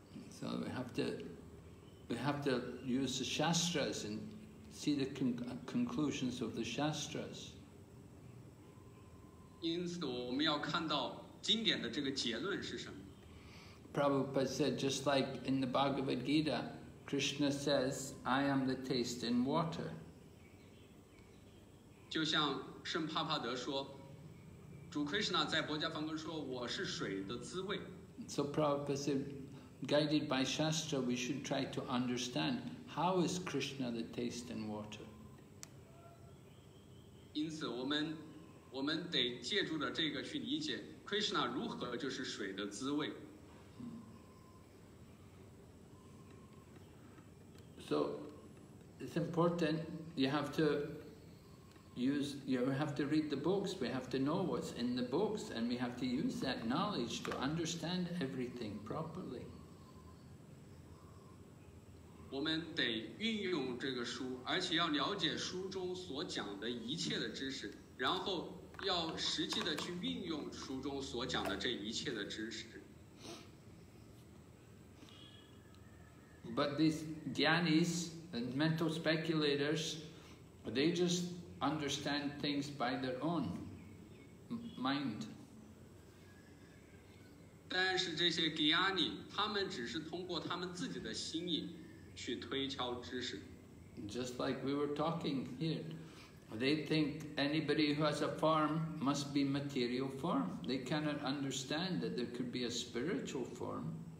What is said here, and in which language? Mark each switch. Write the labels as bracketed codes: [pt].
[en] So we have to use the shastras and see the conclusions of the shastras. [zh] 因此我们要看到经典的这个结论是什么。 [en] Prabhupada said, just like in the Bhagavad Gita,Krishna says, I am the taste in water. [zh] 就像圣帕帕德说，主 Krishna 在博迦梵根说，我是水的滋味。 [en] So Prabhupada said, guided by Shastra, we should try to understand, how is Krishna the taste in water? [zh] 因此我们得借助着这个去理解 Krishna 如何就是水的滋味。 [en] So it's important you have to read the books, we have to know what's in the books, and we have to use that knowledge to understand everything properly. [zh] 我们得运用这个书，而且要了解书中所讲的一切的知识，然后要实际的去运用书中所讲的这一切的知识。 [en] But these jnanis and mental speculators, they just understand things by their own mind. [zh] 但是这些 jnani, 他们只是通过他们自己的心意去推敲知识。 [en] Just like we were talking here. They think anybody who has a form must be material form. They cannot understand that there could be a spiritual form.